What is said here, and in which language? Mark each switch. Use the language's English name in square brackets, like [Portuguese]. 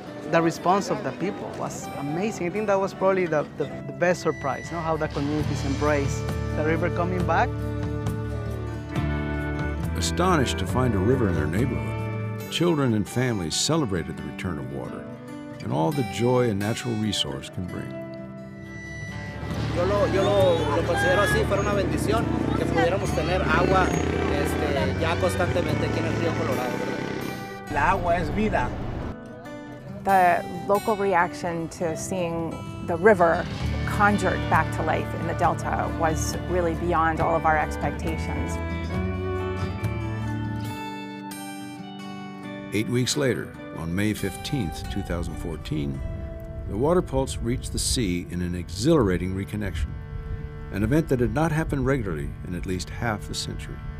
[English] The response of the people was amazing. I think that was probably the best surprise, you know, how the communities embrace the river coming back. Astonished to find a river in their neighborhood, children and families celebrated the return of water and all the joy a natural resource can bring. [Spanish] Yo lo considero así, fuera una bendición que pudiéramos tener agua ya constantemente aquí en el río Colorado. La agua es vida. [English] The local reaction to seeing the river conjured back to life in the Delta was really beyond all of our expectations. 8 weeks later, on May 15th, 2014, the water pulse reached the sea in an exhilarating reconnection, an event that had not happened regularly in at least half a century.